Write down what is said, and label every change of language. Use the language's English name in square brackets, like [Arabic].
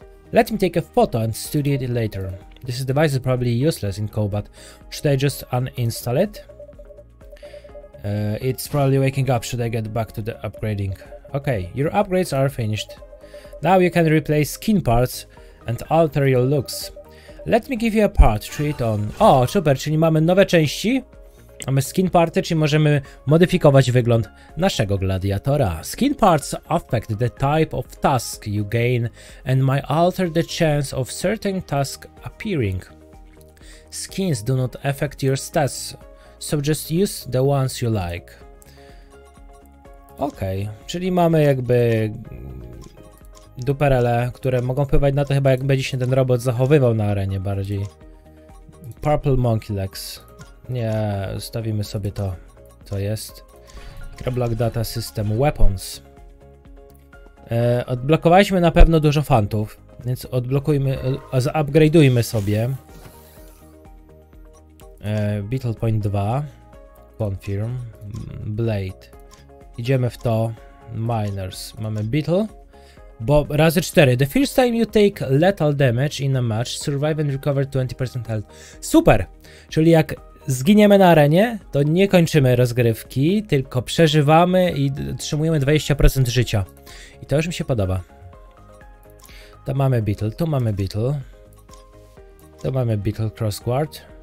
[English] Let me take a photo and study it later. This device is probably useless in combat. Should I just uninstall it? It's probably waking up. Should I get back to the upgrading? Okay, your upgrades are finished. Now you can replace skin parts and alter your looks. Let me give you a part. Try it on. [Polish] O, super, czyli mamy nowe części. Mamy skin party, czyli możemy modyfikować wygląd naszego gladiatora. [English] Skin parts affect the type of task you gain and might alter the chance of certain task appearing. Skins do not affect your stats, so just use the ones you like. Okej, okay. [Polish] Czyli mamy jakby duperele, które mogą wpływać na to, chyba jak będzie się ten robot zachowywał na arenie bardziej. [English] Purple Monkey Legs. [Polish] Nie, zostawimy sobie to, co jest. Microblock Data System Weapons. Odblokowaliśmy na pewno dużo fantów, więc odblokujmy, zaupgrade'ujmy sobie. [English] Battle Point 2. Confirm. Blade. [Polish] Idziemy w to. Miners. Mamy Beetle. Bo razy 4. [English] The first time you take lethal damage in a match, survive and recover 20% health. Super! [Polish] Czyli jak zginiemy na arenie, to nie kończymy rozgrywki, tylko przeżywamy i otrzymujemy 20% życia. I to już mi się podoba. To mamy Beetle, tu mamy Beetle. Tu mamy Beetle Crossguard.